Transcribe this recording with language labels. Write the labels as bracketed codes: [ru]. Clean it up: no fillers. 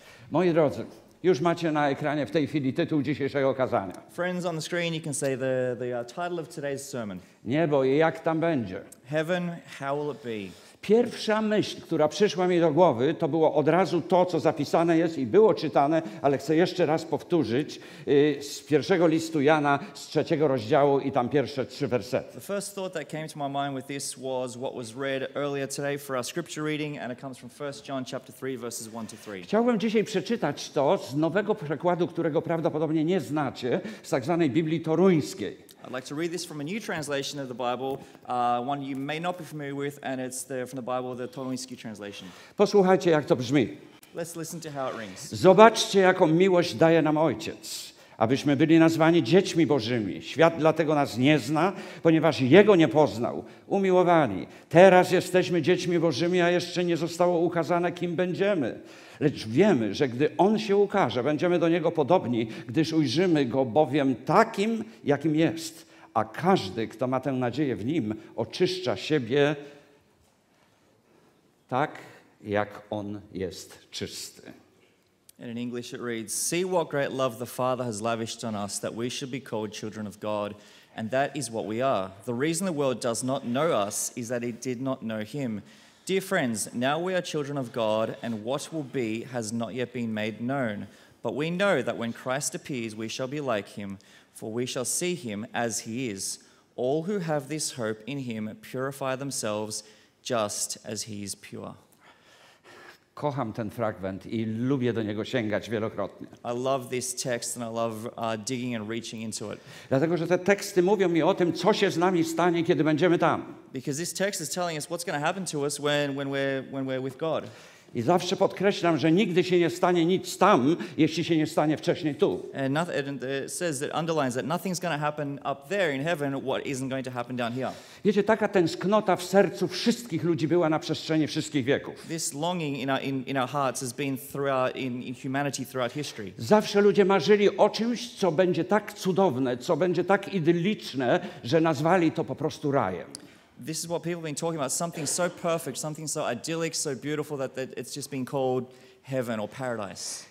[pl] Moi drodzy, już macie na ekranie w tej chwili tytuł dzisiejszego kazania. [en] Friends on the screen, you can see the title of today's sermon. [pl] Niebo i jak tam będzie? [en] Heaven, how will it be? [pl] Pierwsza myśl, która przyszła mi do głowy, to było od razu to, co zapisane jest i było czytane, ale chcę jeszcze raz powtórzyć z pierwszego listu Jana, z trzeciego rozdziału i tam pierwsze trzy wersety. [en] The first thought that came to my mind with this was what was read earlier today for our scripture reading, and it comes from 1 John chapter 3, verses 1 to 3. [pl] Chciałbym dzisiaj przeczytać to z nowego przekładu, którego prawdopodobnie nie znacie, z tak zwanej Biblii Toruńskiej. [en] I'd like to read this from a new translation of the Bible, one you may not be familiar with, and it's from the Bible, the Toruński translation. [pl] Posłuchajcie, jak to brzmi. [en] Let's listen to how it rings. [pl] Zobaczcie, jaką miłość daje nam Ojciec, abyśmy byli nazwani dziećmi Bożymi. Świat dlatego nas nie zna, ponieważ Jego nie poznał. Umiłowani, teraz jesteśmy dziećmi Bożymi, a jeszcze nie zostało ukazane, kim będziemy. Lecz wiemy, że gdy On się ukaże, będziemy do Niego podobni, gdyż ujrzymy Go bowiem takim, jakim jest. A każdy, kto ma tę nadzieję w Nim, oczyszcza siebie tak, jak On jest czysty. [en] And in English it reads, "See what great love the Father has lavished on us, that we should be called children of God, and that is what we are. The reason the world does not know us is that it did not know Him. Dear friends, now we are children of God, and what will be has not yet been made known. But we know that when Christ appears, we shall be like Him, for we shall see Him as He is. All who have this hope in Him purify themselves, just as He is pure." [pl] Kocham ten fragment i lubię do niego sięgać wielokrotnie. [en] I love this text and I love digging and reaching into it. [pl] Dlatego, że te teksty mówią mi o tym, co się z nami stanie, kiedy będziemy tam. [en] Because this text is telling us what's going to happen to us when we're with God. [pl] I zawsze podkreślam, że nigdy się nie stanie nic tam, jeśli się nie stanie wcześniej tu. [en] And it says that underlines that nothing's going to happen up there in heaven what isn't going to happen down here. [pl] Wiecie, taka tęsknota w sercu wszystkich ludzi była na przestrzeni wszystkich wieków. [en] This longing in our hearts has been throughout humanity throughout history. [pl] Zawsze ludzie marzyli o czymś, co będzie tak cudowne, co będzie tak idylliczne, że nazwali to po prostu rajem. [en] This is what people have been talking about, something so perfect, something so idyllic, so beautiful that it's just been called heaven or paradise.